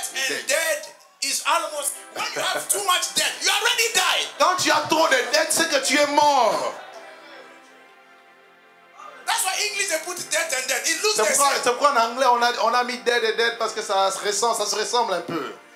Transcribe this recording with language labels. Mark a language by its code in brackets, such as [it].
[en] So debt is almost when you have too much debt, you already died. [fr] Quand tu as trop de dettes, c'est que tu es mort. [en] That's why English they put debt and debt. It looks the same. [fr] C'est pourquoi en anglais on a mis debt et dette parce que ça se ressemble un peu.